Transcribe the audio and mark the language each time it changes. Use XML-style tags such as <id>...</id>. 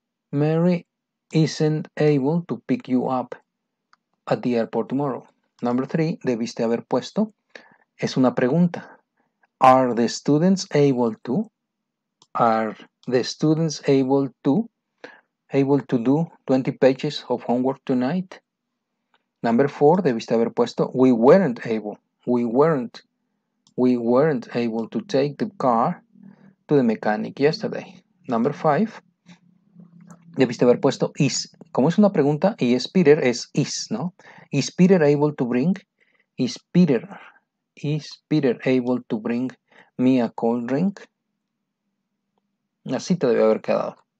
<en>Mary isn't able to pick you up at the airport tomorrow. Number three,</en> <es>debiste haber puesto, es una pregunta.</es> <en>Are the students able to? Are the students able to? Able to do 20 pages of homework tonight. Number 4,</en> <es>debiste haber puesto</es> <en>we weren't able. We weren't able to take the car to the mechanic yesterday. Number five.</en> <es>Debiste haber puesto is. Como es una pregunta y es Peter, es is, ¿no?</es> <en>Is Peter able to bring? Is Peter able to bring me a cold drink?</en> <es>Así te debe haber quedado.</es>